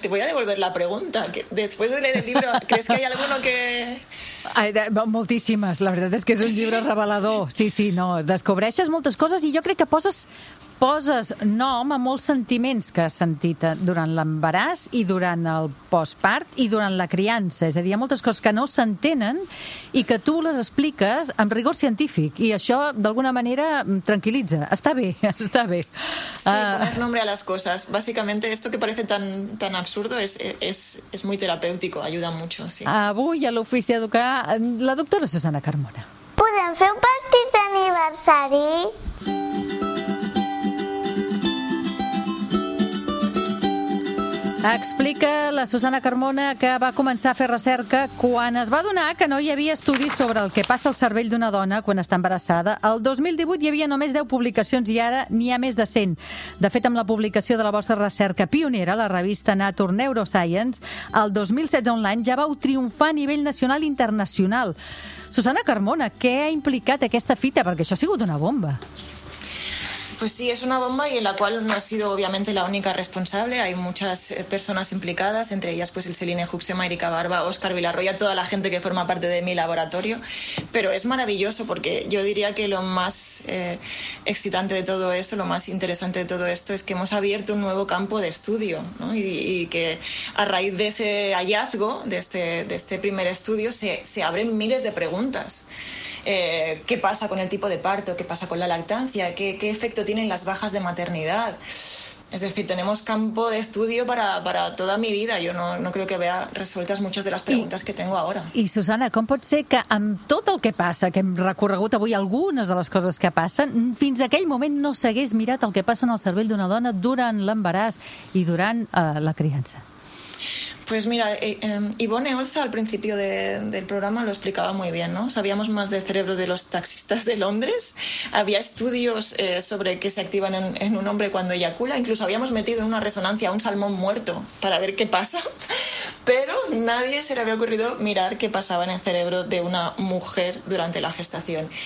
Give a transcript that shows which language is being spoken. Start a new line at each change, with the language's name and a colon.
Spanish: Te voy a devolver la pregunta. Después de leer el libro, ¿crees que hay alguno que...?
Catalan: Moltíssimes. La veritat és que és un llibre revelador. Sí, no. Descobreixes moltes coses i jo crec que poses poses nom a molts sentiments que has sentit durant l'embaràs i durant el postpart i durant la criança. És a dir, hi ha moltes coses que no s'entenen i que tu les expliques amb rigor científic. I això, d'alguna manera, tranquil·litza. Està bé, està bé.
Spanish: Sí, poner nombre a
Catalan: les coses.
Spanish: Básicamente, esto que parece tan, tan absurdo es muy terapéutico, ayuda mucho. Sí.
Catalan: Avui a l'Ofici d'Educar, la doctora Susana Carmona. Podem fer un pastís d'aniversari? Explica la Susana Carmona que va començar a fer recerca quan es va adonar que no hi havia estudis sobre el que passa al cervell d'una dona quan està embarassada. El 2018 hi havia només 10 publicacions i ara n'hi ha més de 100. De fet, amb la publicació de la vostra recerca pionera, la revista Nature Neuroscience, el 2016 online ja vau triomfar a nivell nacional i internacional. Susana Carmona, què ha implicat aquesta fita? Perquè això ha sigut una bomba.
Spanish: Pues sí, es una bomba y en la cual no ha sido obviamente la única responsable. Hay muchas personas implicadas, entre ellas pues el Celine Huxema, Erika Barba, Óscar Villarroya, toda la gente que forma parte de mi laboratorio. Pero es maravilloso porque yo diría que lo más excitante de todo eso, lo más interesante de todo esto es que hemos abierto un nuevo campo de estudio, ¿no? Y que a raíz de ese hallazgo, de este primer estudio, se abren miles de preguntas. ¿Qué pasa con el tipo de parto? ¿Qué pasa con la lactancia? ¿Qué efecto tienen las bajas de maternidad? Es decir, tenemos campo de estudio para toda mi vida. Yo no creo que vea resueltas muchas de las preguntas que tengo ahora.
Catalan: I Susana, com pot ser que amb tot el que passa, que hem recorregut avui algunes de les coses que passen, fins aquell moment no s'hagués mirat el que passa en el cervell d'una dona durant l'embaràs i durant la criança?
Spanish: Pues mira, Ivone Olza al principio del programa lo explicaba muy bien, ¿no? Sabíamos más del cerebro de los taxistas de Londres, había estudios sobre qué se activan en un hombre cuando eyacula, incluso habíamos metido en una resonancia un salmón muerto para ver qué pasa, pero nadie se le había ocurrido mirar qué pasaba en el cerebro de una mujer durante la gestación.